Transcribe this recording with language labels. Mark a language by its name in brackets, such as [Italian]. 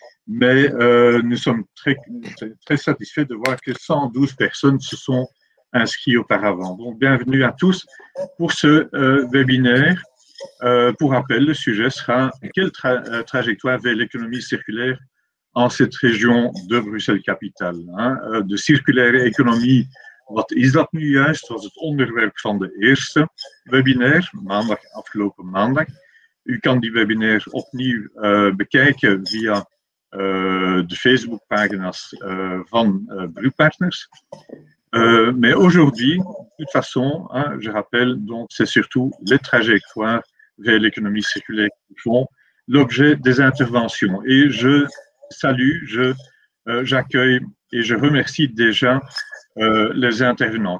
[French] Mais nous sommes très satisfaits de voir que 112 personnes se sont inscrites auparavant. Donc, bienvenue à tous pour ce webinaire. Pour rappel, le sujet sera « Quelle trajectoire vers l'économie circulaire en cette région de Bruxelles-Capitale hein? ?» [Dutch] De circulaire économie, wat is dat nu juist? Dat was het onderwerp van de eerste webinaire, afgelopen maandag. U kan die webinaire opnieuw bekijken via de Facebookpagina's van Brewpartners. [French] Mais aujourd'hui, de toute façon, hein, je rappelle, donc, c'est surtout les trajectoires vers l'économie circulaire qui font l'objet des interventions. Et je salue, j'accueille et je remercie déjà les intervenants.